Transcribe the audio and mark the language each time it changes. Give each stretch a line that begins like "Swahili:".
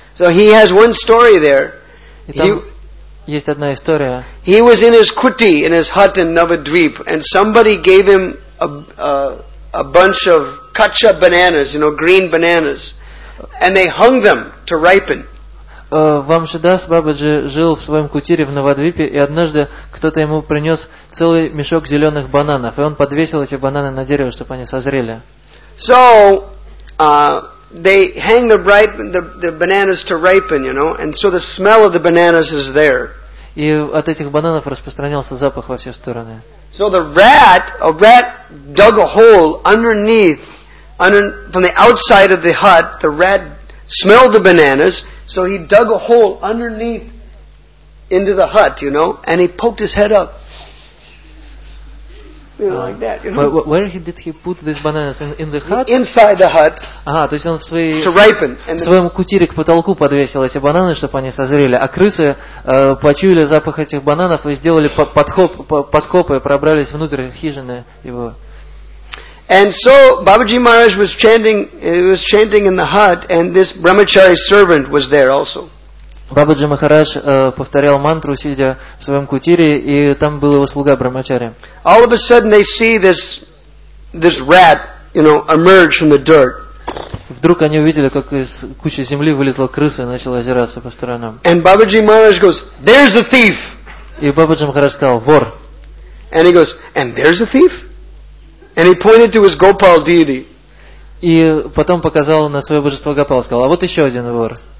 English: So he has one story there.
Russian: Есть одна история.
English: He was in his kuti, in his hut in Navadvip, and somebody gave him a bunch of kacha bananas, you know, green bananas, and they hung them to ripen.
Russian: Вамшидас Бабаджи жил в своем кутире в Навадвипе, и однажды кто-то ему принес целый мешок зеленых бананов, и он подвесил эти бананы на дерево, чтобы они созрели.
English: So they hang the bananas to ripen, you know, and so the smell of the bananas is there.
Russian: И от этих бананов распространялся запах во все стороны.
English: So the rat, a rat dug a hole underneath, from the outside of the hut, the rat smelled the bananas, so he dug a hole underneath into the hut, you know, and he poked his head up. You know, like that, you know? Where did he put these bananas? In the hut? Inside the hut.
Russian: Ага, то есть он в своей,
English: to ripen.
Russian: В своем кутире к потолку подвесил эти бананы, чтобы они созрели. А крысы почуяли запах этих бананов и сделали подкопы, пробрались внутрь хижины его.
English: And so Babaji Maharaj was chanting in the hut, and this brahmachari servant was there also.
Russian: Бабаджи Махарадж повторял мантру, сидя в своем кутире, и там был его слуга брахмачари.
English: All of a sudden they see this rat, you know, emerge from the dirt.
Russian: Вдруг они увидели, как из кучи земли вылезла крыса и начала озираться по сторонам.
English: And Бабаджи Махарадж goes, "There's a thief."
Russian: И Бабаджи Махарадж сказал, "Вор."
English: And he goes, "And there's a thief?" And he pointed to his Gopal deity.
Russian: И потом показал на свое божество Гопал, сказал, "А вот еще один вор."